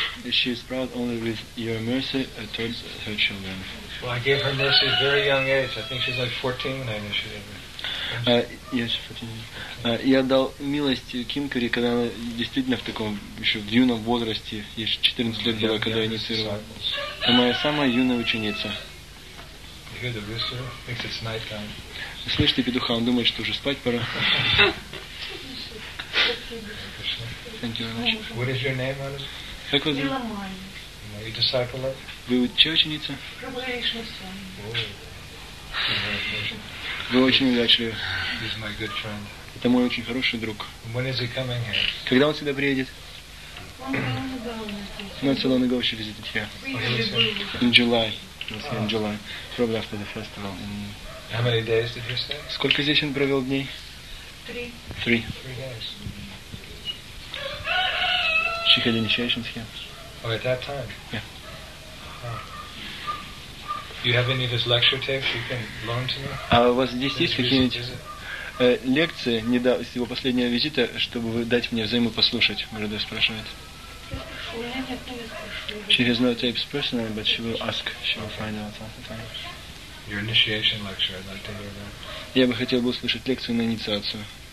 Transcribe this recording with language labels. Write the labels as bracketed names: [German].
[English] She is proud only with your mercy towards her children. Well, I gave her mercy at a very young age. I think she's like 14 when I initiated her. Yes, 14. [Russian] Я дал милость Кинкари, когда она действительно в таком еще в юном возрасте, ей 14 лет было, когда я инициировал. Это моя самая юная ученица. [English] Hear the rooster? Thinks it's night time. [Russian] Слышите петуха? Он думает, что уже спать пора. [English] Thank you very much. What is your name, Anna? [Russian] Как вас зовут? [English] Are you a disciple of? [Russian] Вы чья ученица? Вы очень удачливы. [English] He's my good friend. [Russian] Это мой очень хороший друг. [English] When is he coming here? [Russian] Когда он сюда приедет? [English] Not so long ago, she visited here. In July. In July, probably after the festival. In... How many days did you stay? [Russian] Сколько здесь он провел дней? [English] Three. She had initiations here. Oh, at that time? Yeah. Do you have any of his lecture tapes you can loan to me? [Russian] А у вас здесь есть какие-нибудь лекции недавно с его последнего визита, чтобы вы дать мне взаймы послушать? Мурада спрашивает. [English] She has no tapes personally, but she will ask. She will find out at the time. Your initiation lecture, I'd like to hear that. [Russian] Я бы хотел бы услышать лекцию на инициацию.